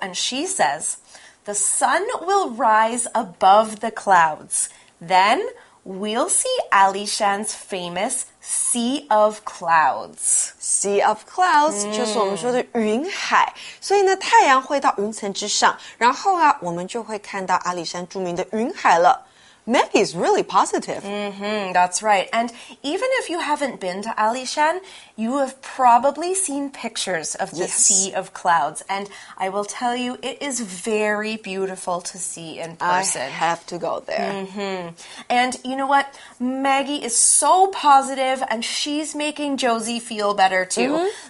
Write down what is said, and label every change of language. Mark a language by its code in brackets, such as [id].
[en] And she says, the sun will rise above the clouds. Then we'll see Alishan's famous Sea of Clouds. [zh] Sea of Clouds,就是我们说的云海。所以呢，太阳会到云层之上，然后啊，我们就会看到阿里山著名的云海了。 [en] Maggie is really positive. Mm-hmm, that's right. And even if you haven't been to Alishan, you have probably seen pictures of the Sea of Clouds. And I will tell you, it is very beautiful to see in person. I have to go there. Mm-hmm. And you know what? Maggie is so positive, and she's making Josie feel better, too. Mm-hmm.